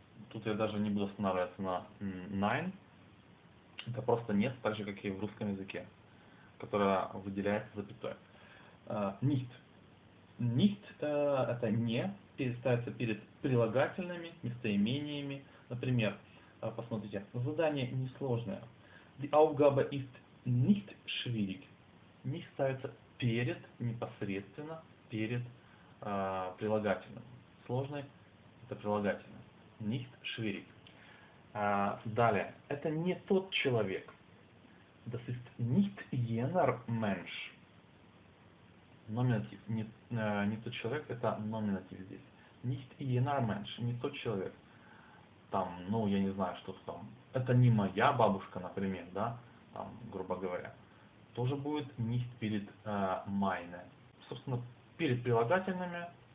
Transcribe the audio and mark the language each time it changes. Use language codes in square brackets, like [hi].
[ru] Тут я даже не буду останавливаться на nein. Это просто нет, так же, как и в русском языке, которая выделяется запятой. [de] Nicht. [ru] Nicht – это «не», ставится перед прилагательными, местоимениями. Например, посмотрите, задание несложное. [de] Die Aufgabe ist nicht schwierig. [ru] Nicht ставится перед, непосредственно перед прилагательным. Сложный – это прилагательное. [de] Nicht schwierig. [ru] Далее. Это не тот человек. [de] Das ist nicht jener Mensch. [ru] Номинатив. Не тот человек, это номинатив здесь. [de] Nicht jener Mensch. [ru] Не тот человек. Там, ну, я не знаю, что там. Это не моя бабушка, например, да? Там, грубо говоря. Тоже будет nicht перед meine. Собственно, перед прилагательными.